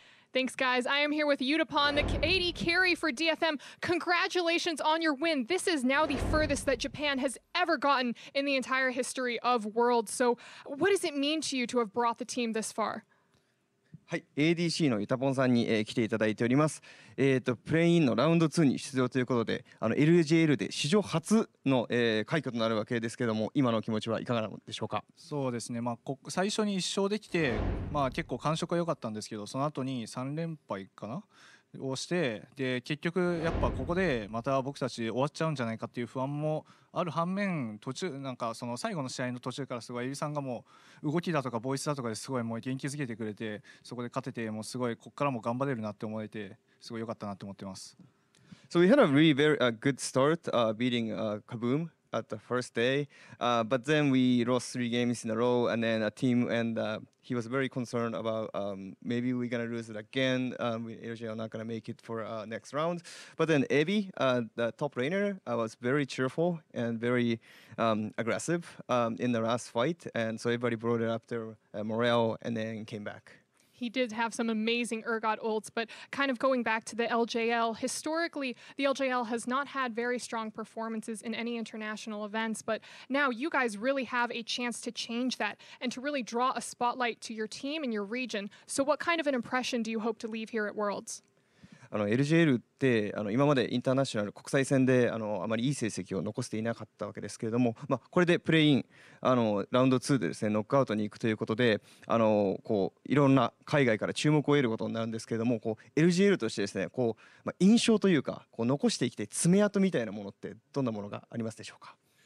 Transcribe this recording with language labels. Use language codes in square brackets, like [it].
[en] Thanks, guys. I am here with Yutapon, the AD carry for DFM. Congratulations on your win. This is now the furthest that Japan has ever gotten in the entire history of Worlds. So what does it mean to you to have brought the team this far? [ja] はい、ADC のユタポンさんに、来ていただいております。プレインのラウンド2に出場ということで、あの LJL で史上初の、快挙となるわけですけども、今の気持ちはいかがなのでしょうか。そうですね、まあ、最初に1勝できて、まあ、結構感触は良かったんですけど、その後に3連敗かなをして、で結局やっぱここでまた僕たち終わっちゃうんじゃないかっていう不安もある反面、途中なんかその最後の試合の途中からすごいエビさんがもう動きだとかボイスだとかですごいもう元気づけてくれて、そこで勝ててもうすごいこっからも頑張れるなって思えてすごい良かったなって思ってます。 [en] So we had a really very good start beating KaBum at the first day, but then we lost three games in a row and then a team andhe was very concerned about maybe we're going to lose it again. LJ are not going to make it for next round. But then Evi, the top laner, was very cheerful and very aggressive in the last fight. And so everybody brought it up their morale and then came back. He did have some amazing Urgot ults, but kind of going back to the LJL, historically, the LJL has not had very strong performances in any international events, but now you guys really have a chance to change that and to really draw a spotlight to your team and your region. So what kind of an impression do you hope to leave here at Worlds? [ja] あの LJL ってあの今までインターナショナル国際戦で あまりいい成績を残していなかったわけですけれども、まあ、これでプレインあのラウンド2でですねノックアウトに行くということで、あのこういろんな海外から注目を得ることになるんですけれども、こう LJL としてですねこう、まあ、印象というかこう残していきたい爪痕みたいなものってどんなものがありますでしょうか。